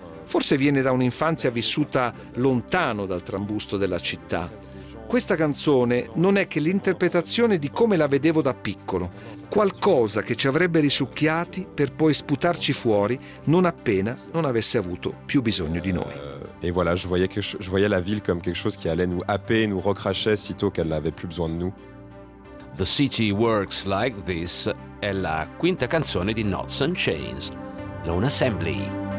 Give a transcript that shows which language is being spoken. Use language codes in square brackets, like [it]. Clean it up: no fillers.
[it] Forse viene da un'infanzia vissuta lontano dal trambusto della città. Questa canzone non è che l'interpretazione di come la vedevo da piccolo, qualcosa che ci avrebbe risucchiati per poi sputarci fuori non appena non avesse avuto più bisogno di noi. [fr] E voilà, je voyais la ville comme quelque chose qui allait nous happer, nous recracher sitôt qu'elle n'avait plus besoin de nous. [it] The City Works Like This è la quinta canzone di Knots and Chains, Lone Assembly.